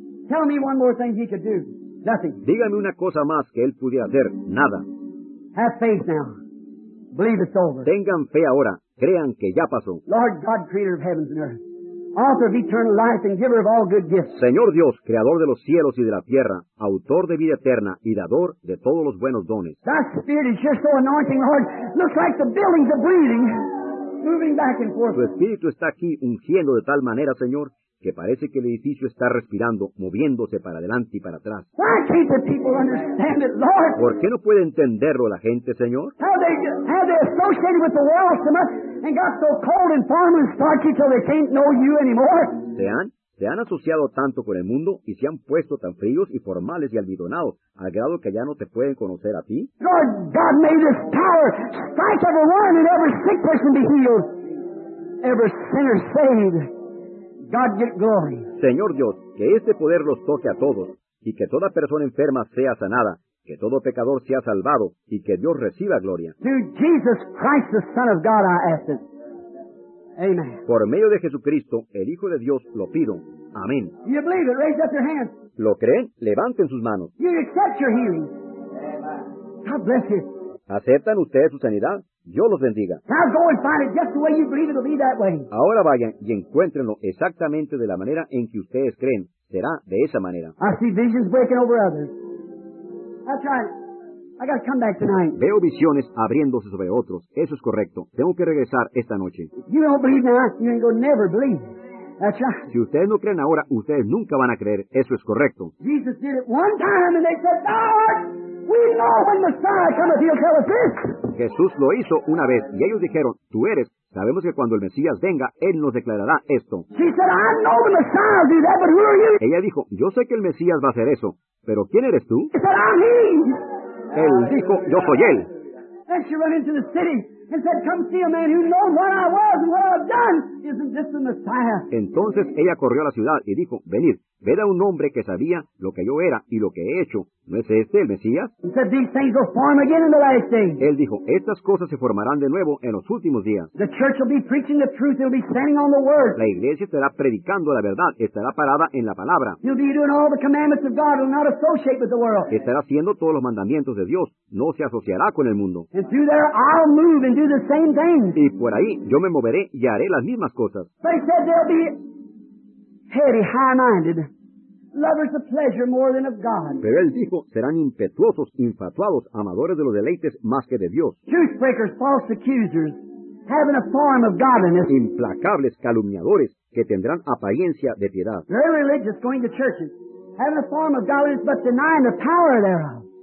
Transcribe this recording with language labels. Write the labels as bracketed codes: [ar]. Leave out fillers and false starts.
[en] Tell me one more thing he could do. Nothing. [es] Dígame una cosa más que él pudiera hacer. Nada. [en] Have faith now. Believe it's over. [es] Tengan fe ahora. Crean que ya pasó. [en] Lord God, creator of heavens and earth, author of eternal life and giver of all good gifts. [es] Señor Dios, creador de los cielos y de la tierra, autor de vida eterna y dador de todos los buenos dones. [en] That spirit is just so anointing, Lord. Looks like the buildings are breathing, moving back and forth. [es] Su espíritu está aquí ungiendo de tal manera, Señor, que parece que el edificio está respirando, moviéndose para adelante y para atrás. [en] Why can't the people understand it, Lord? [es] ¿Por qué no puede entenderlo la gente, Señor? [en] How they associated with the walls so much and got so cold and firm and starchy till they can't know you anymore? [es] Se han asociado tanto con el mundo y se han puesto tan fríos y formales y almidonados al grado que ya no te pueden conocer a ti. [en] Lord, God made this power strike everyone and every sick person be healed, every sinner saved. God get glory. [es] Señor Dios, que este poder los toque a todos, y que toda persona enferma sea sanada, que todo pecador sea salvado, y que Dios reciba gloria. [en] To Jesus Christ, the Son of God, I ask it. Amen. [es] Por medio de Jesucristo, el Hijo de Dios, lo pido. Amén. [en] Do you believe it? Raise up your hands. [es] ¿Lo creen? Levanten sus manos. [en] You accept your healing. God bless you. [es] ¿Aceptan ustedes su sanidad? Dios los bendiga. [en] Now go and find it just the way you believe it'll be that way. [es] Ahora vayan y encuéntrenlo exactamente de la manera en que ustedes creen. Será de esa manera. [en] I see visions breaking over others. That's right. I gotta come back tonight. [es] Veo visiones abriéndose sobre otros. Eso es correcto. Tengo que regresar esta noche. [en] You don't believe now, you ain't gonna never believe. That's right. [es] Si ustedes no creen ahora, ustedes nunca van a creer. Eso es correcto. [en] Jesus did it one time and they said, Lord! We know when the Messiah cometh, he'll tell us this. [es] Jesús lo hizo una vez, y ellos dijeron, tú eres, sabemos que cuando el Mesías venga, él nos declarará esto. [en] She said, I know the Messiah will do that, but who are you? [es] Ella dijo, yo sé que el Mesías va a hacer eso, pero ¿quién eres tú? [en] She said, I'm he. [es] Él dijo, yo soy él. [en] And she went into the city and said, come see a man who knows what I was and what I've done. Isn't this the Messiah? [es] Entonces ella corrió a la ciudad y dijo, venid, ved a un hombre que sabía lo que yo era y lo que he hecho. ¿No es este el Mesías? [en] He said, these things will form again in the last days. [es] Él dijo, estas cosas se formarán de nuevo en los últimos días. [en] The church will be preaching the truth. It'll be standing on the word. [es] La iglesia estará predicando la verdad. Estará parada en la palabra. [en] He'll be doing all the commandments of God. He'll not associate with the world. [es] Estará haciendo todos los mandamientos de Dios. No se asociará con el mundo. [en] And through there, I'll move and do the same thing. [es] Y por ahí, yo me moveré y haré las mismas cosas. [en] But he said, there'll be heady, high-minded, lovers of pleasure more than of God. [es] Pero él dijo, serán impetuosos, infatuados, amadores de los deleites más que de Dios. [en] Truth-breakers, false accusers, having a form of godliness. [es] Implacables calumniadores que tendrán apariencia de piedad. [en] Very religious, going to churches, having a form of godliness, but denying the power thereof.